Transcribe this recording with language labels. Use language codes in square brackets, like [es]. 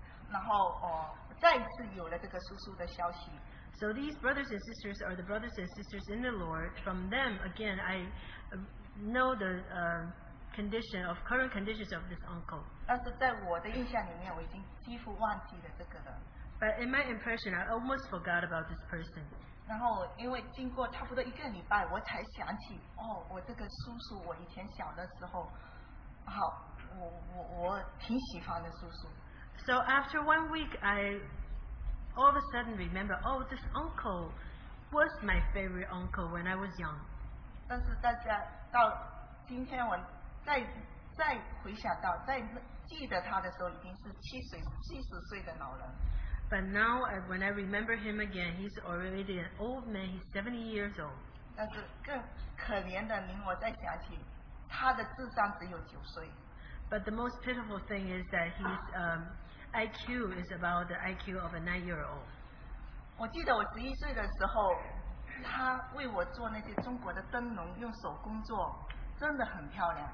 [zh] 然后、再一次有了这个叔叔的消息。 [en] So these brothers and sisters are the brothers and sisters in the Lord. From them, again, I... know the condition of current conditions of this uncle. [zh] 但是在我的印象里面，我已经几乎忘记了这个人。 [en] But in my impression, I almost forgot about this person. [zh] 然后因为经过差不多一个礼拜，我才想起，哦，我这个叔叔，我以前小的时候，好，我挺喜欢的叔叔。 [en] So after 1 week, I all of a sudden remember, oh, this uncle, was my favorite uncle when I was young. [zh] 但是大家到今天我再回想到再记得他的时候已经是七十岁的老人。 [en] But now, when I remember him again, he's already an old man, he's 70 years old. [zh] 但是更可怜的您我在想起他的智商只有九岁。 [en] But the most pitiful thing is that his IQ is about the IQ of a 9-year-old. [zh] 我记得我11岁的时候,他为我做那些中国的灯笼,用手工作,真的很漂亮。